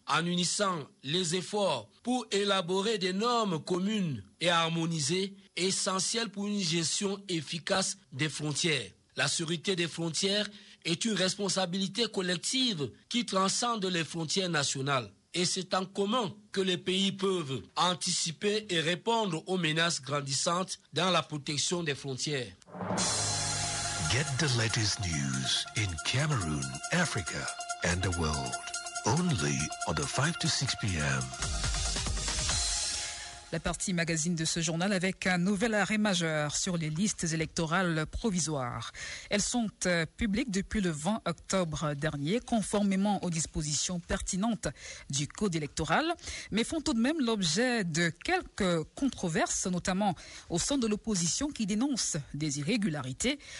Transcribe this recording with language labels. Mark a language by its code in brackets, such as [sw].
[fr] En unissant les efforts pour élaborer des normes communes et harmonisées, essentielles pour une gestion efficace des frontières. La sécurité des frontières est une responsabilité collective qui transcende les frontières nationales. Et c'est en commun que les pays peuvent anticiper et répondre aux menaces grandissantes dans la protection des frontières. [en] Get the latest news in Cameroon, Africa and the world only on the 5 to 6 p.m. [fr] La partie magazine de ce journal avec un nouvel arrêt majeur sur les listes électorales provisoires. Elles sont publiques depuis le 20 octobre dernier, conformément aux dispositions pertinentes du Code électoral, mais font tout de même l'objet de quelques controverses, notamment au sein de l'opposition qui dénonce des irrégularités.